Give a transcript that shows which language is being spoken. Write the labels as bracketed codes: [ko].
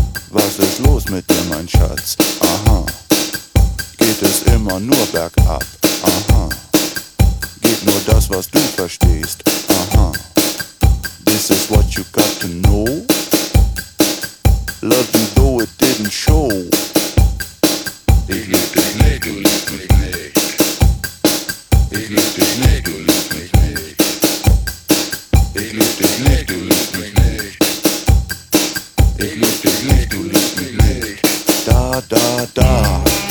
[de] Was ist los mit dir, mein Schatz? Aha. Geht es immer nur bergab? Aha. Geht nur das, was du verstehst? Aha. [en] This is what you got to know? Love you though it didn't show. [de] Ich lieb dich nicht, du liebst mich nicht. Ich lieb dich nicht, du liebst mich nicht. Ich lieb dich nicht, du liebst mich nicht. Ich lieb dich nicht, du liebst mich nicht. Da, da, da.